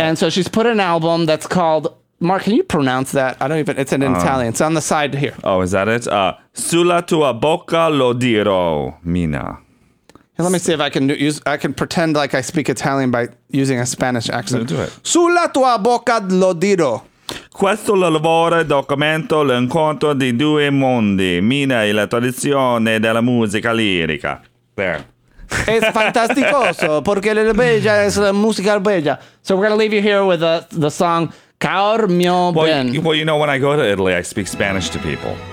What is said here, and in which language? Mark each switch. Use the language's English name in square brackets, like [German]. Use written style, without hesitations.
[English] And so she's put an album that's called, Mark, can you pronounce that? It's in Italian. It's on the side here. [Italian] Oh, is that it? Sulla tua bocca lo dirò, Mina. [English] Let me see if I can use. I can pretend like I speak Italian by using a Spanish accent. Do it. [Italian] Sulla tua bocca lo dirò. Questo lavoro documenta l'incontro di due mondi, mina e la tradizione della musica lirica. [English] There. [Spanish] It's fantasticoso porque la bella es la música bella. [English] So we're going to leave you here with the song Caor Mio Ben. Well, you know, when I go to Italy, I speak Spanish to people.